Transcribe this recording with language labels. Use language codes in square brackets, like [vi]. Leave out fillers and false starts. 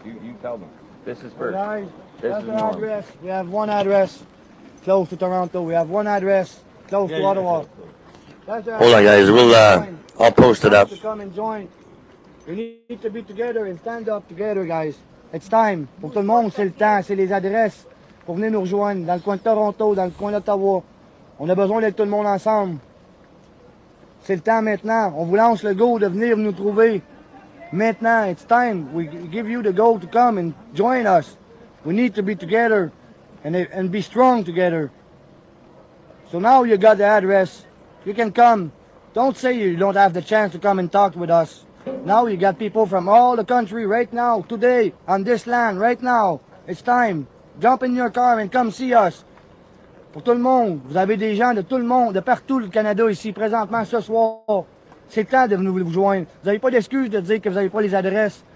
[en] You tell them. This is first. Hey guys, this is an address. We have one address close to Toronto. We have one address close to Ottawa. Hold on, guys. I'll post it up. To come and join. We need to be together and stand up together, guys. It's time. [fr] Pour tout le monde, c'est le temps. C'est les adresses pour venir nous rejoindre dans le coin de Toronto, dans le coin d'Ottawa. On a besoin d'être tout le monde ensemble. C'est le temps maintenant. On vous lance le go de venir nous trouver. Maintenant, [en] it's time. We give you the go to come and join us. We need to be together and be strong together. So now you got the address. You can come. Don't say you don't have the chance to come and talk with us. Now you got people from all the country right now, today, on this land, right now. It's time. Jump in your car and come see us. [fr] Pour tout le monde, vous avez des gens de tout le monde, de partout le Canada ici, présentement, ce soir. C'est le temps de venir vous joindre. Vous n'avez pas d'excuse de dire que vous n'avez pas les adresses.